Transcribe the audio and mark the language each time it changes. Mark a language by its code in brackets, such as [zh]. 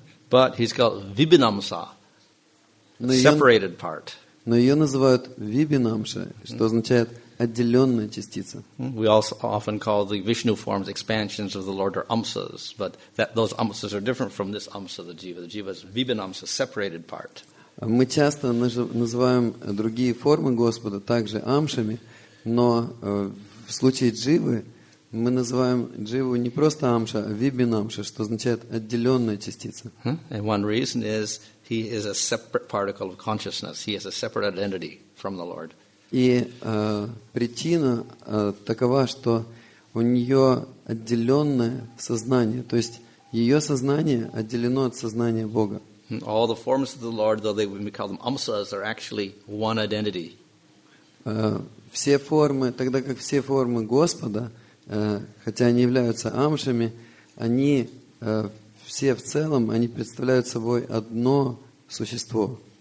[en] But he's called vibinamsa. Separated part. [ru] Но ее называют вибинамша, что означает отделенная частица. [en] We also often call the Vishnu forms expansions of the Lord or amsas, but that those amsas are different from this amsa, the jiva. The jiva is vibinamsa, separated part. [ru] Мы часто называем другие формы Господа также амшами, но в случае дживы мы называем дживу не просто амша, а вибинамша, что означает отделенная частица. [en] And one reason is he is a separate particle of consciousness. He has a separate identity from the Lord. [ru] И причина такова, что у нее отделенное сознание, то есть ее сознание отделено от сознания Бога. [en] All the forms of the Lord, though they would be called them amsas, are actually one identity. [ru] все формы, тогда как все формы Господа, хотя они являются амшами, они все в целом, они представляют собой одно существо.